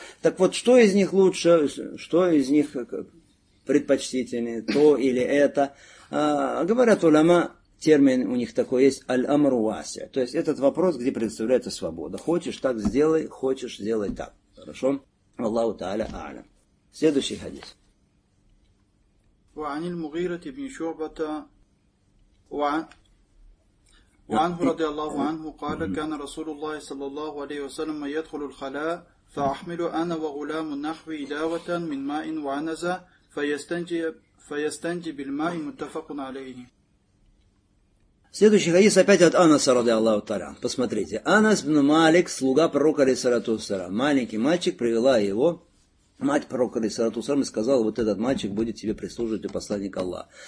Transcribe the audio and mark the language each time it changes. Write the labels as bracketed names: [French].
[Russian] Так вот, что из них лучше, что из них предпочтительнее, то или это? Говорят уляма, термин у них такой есть, аль-амру вася. То есть, этот вопрос, где предоставляется свобода. Хочешь так сделай, хочешь сделай так. Хорошо? Аллаху та'аля а'лям. Следующий хадис. [Arabic] وعن المغيرة بن شعبة وعنه رضي الله عنه قال كان رسول الله صلى الله عليه وسلم يدخل الخلاء فأحمل أنا وغلام نحوي إداوة من ماء وعنزة فيستنجي بالماء متفق عليه. [Russian] Следующий хадис опять от Анаса, ради Аллаху Таля. Посмотрите. Анас бин Малик, слуга пророка, алейхиссалату вассалям. Маленький мальчик, привела его мать пророка, алейхиссалату вассалям, и сказала, вот этот мальчик будет тебе прислуживать, и посланник Аллах.